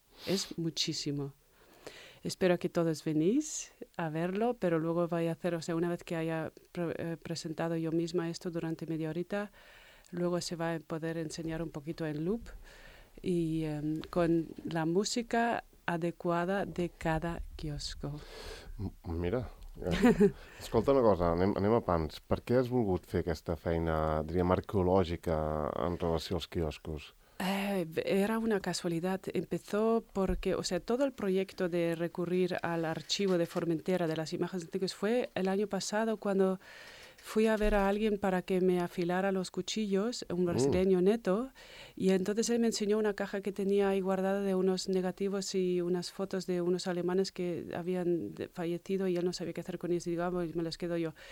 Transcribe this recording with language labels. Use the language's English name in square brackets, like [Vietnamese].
[Spanish] Es muchísimo. Espero que todos venís a verlo, pero luego voy a hacer, o sea, una vez que haya presentado yo misma esto durante media horita, luego se va a poder enseñar un poquito en loop y con la música adecuada de cada kiosco. [Catalan] Mira, escolta una cosa, anem a pams. Per què has volgut fer aquesta feina, diríem, arqueològica en relació als quioscos? [Spanish] Era una casualidad. Empezó porque, o sea, todo el proyecto de recurrir al archivo de Formentera de las imágenes antiguas fue el año pasado cuando fui a ver a alguien para que me afilara los cuchillos, un brasileño neto, y entonces él me enseñó una caja que tenía ahí guardada de unos negativos y unas fotos de unos alemanes que habían fallecido y él no sabía qué hacer con ellos. Y digo, ah, pues me las quedo yo.